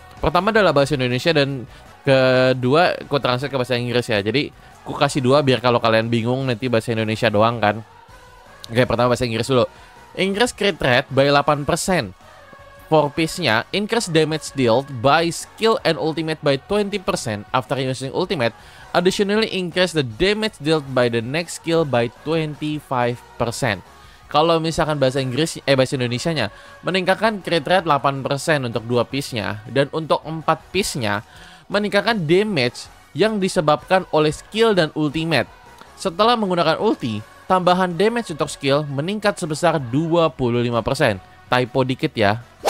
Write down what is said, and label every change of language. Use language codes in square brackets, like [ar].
[id] Pertama adalah bahasa Indonesia dan kedua gue translate ke bahasa Inggris ya. Jadi gue kasih dua biar kalau kalian bingung nanti bahasa Indonesia doang kan. Oke, pertama bahasa Inggris dulu. [en] Inggris crit rate by 8%. For piece-nya, increase damage dealt by skill and ultimate by 20% after using ultimate. Additionally, increase the damage dealt by the next skill by 25%. [id] Kalau misalkan bahasa Indonesia-nya, meningkatkan crit rate 8% untuk 2 piece-nya. Dan untuk 4 piece-nya, meningkatkan damage yang disebabkan oleh skill dan ultimate. Setelah menggunakan ulti, tambahan damage untuk skill meningkat sebesar 25%. Typo dikit ya.